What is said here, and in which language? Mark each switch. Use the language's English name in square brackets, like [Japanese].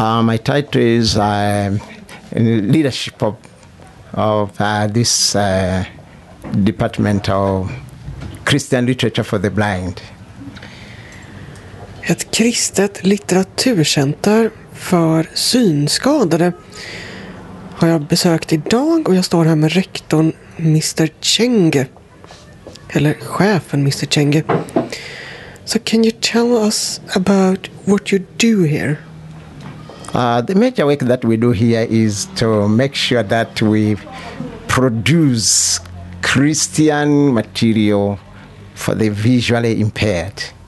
[English] My title is in leadership of this department of Christian Literature for the Blind. [Swedish] Ett kristet litteraturcenter för synskadade har jag besökt idag, och jag står här med rektorn Mr. Chenge, eller chefen Mr. Chenge. [English] So can you tell us about what you do here? The major work that we do here is to make sure that we produce Christian material for the visually impaired.